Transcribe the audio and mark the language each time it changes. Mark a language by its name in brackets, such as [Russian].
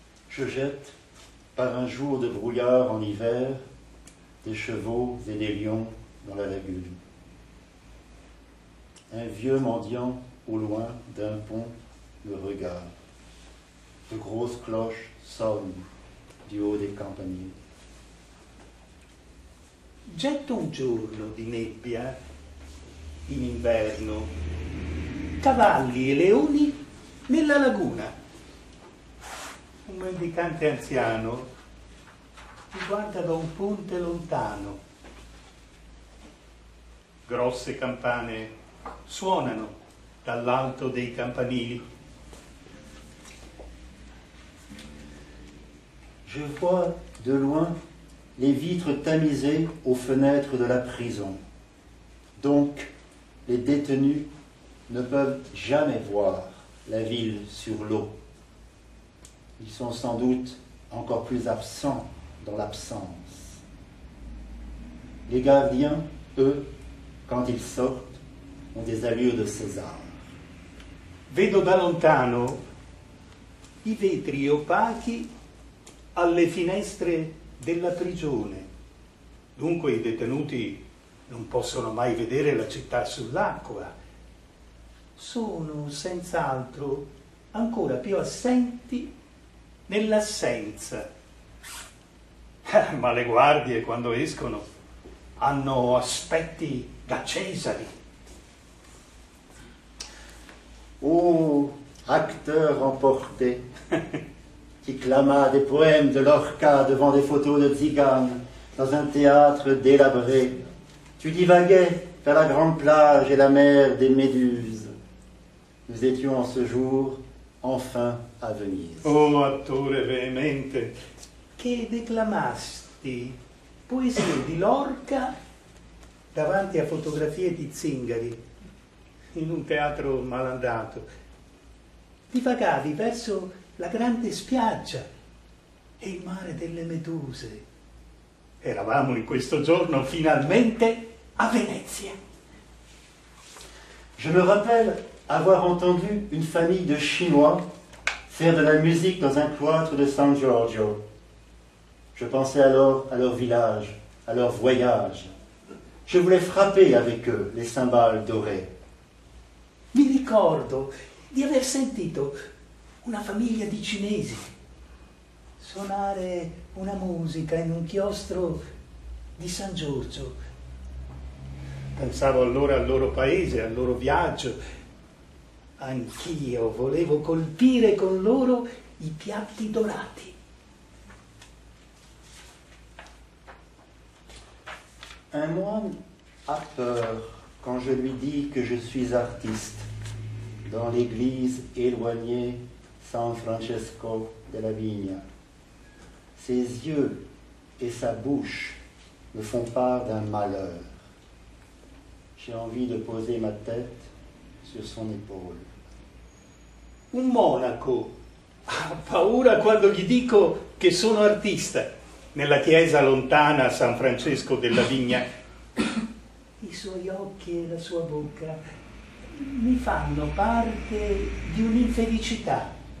[French] Je jette, par un jour de brouillard en hiver, des chevaux et des lions dans la lagune. Un vieux mendiant au loin d'un pont me regarde. De grosses cloches sonnent du haut des campaniers. [Italian] Getto un giorno di nebbia in inverno, cavalli e leoni nella laguna. Un mendicante anziano mi guarda da un ponte lontano. Grosse campane suonano dall'alto dei campanili. [French] Je vois de loin les vitres tamisées aux fenêtres de la prison. Donc, les détenus ne peuvent jamais voir la ville sur l'eau. Ils sont sans doute encore plus absents dans l'absence. Les gardiens, eux, quand ils sortent, ont des allures de César. [Italian] Vedo da lontano i vetri opachi alle finestre della prigione. Dunque i detenuti non possono mai vedere la città sull'acqua. Sono senz'altro ancora più assenti nell'assenza. Ma le guardie quando escono hanno aspetti da Cesari. [French] Oh, acteur emporté, qui clama des poèmes de Lorca devant des photos de Tziganes dans un théâtre délabré. Tu divaguais vers la grande plage et la mer des méduses. Nous étions en ce jour enfin à Venise. [Italian] Oh, attore veemente, che declamasti poesie di Lorca davanti a fotografie di zingari in un teatro malandato. Divagavi verso la grande spiaggia e il mare delle meduse. Eravamo in questo giorno finalmente a Venezia. [French] Je me rappelle avoir entendu une famille de Chinois faire de la musique dans un cloître de San Giorgio. Je pensais alors à leur village, à leur voyage. Je voulais frapper avec eux les cymbales dorées. [Italian] Mi ricordo di aver sentito una famiglia di cinesi suonare una musica in un chiostro di San Giorgio. Pensavo allora al loro paese, al loro viaggio. Anch'io volevo colpire con loro i piatti dorati. [French] Un moine a peur quand je lui dis que je suis artiste dans l'église éloignée San Francesco de la Vigna. Ses yeux et sa bouche me font part d'un malheur. J'ai envie de poser ma tête sur son épaule. [Italian] Un monaco ha paura quando gli dico che sono artista nella chiesa lontana San Francesco della Vigna. I suoi occhi e la sua bocca mi fanno parte di un'infelicità.